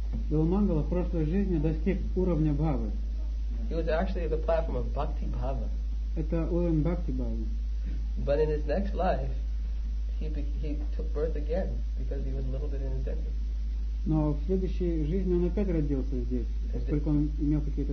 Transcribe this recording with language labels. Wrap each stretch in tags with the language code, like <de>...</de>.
<ru>Бильбо Мангала в прошлой жизни достиг уровня Бхавы.</ru> <en>He was actually at the platform of Bhakti Bhava.</en> <ru>Это уровень Бхакти Бхавы.</ru> <en>But in his next life, he took birth again because he was a little bit inattentive.</en> <ru>Но в следующей жизни он опять родился здесь, поскольку он имел какие-то</ru>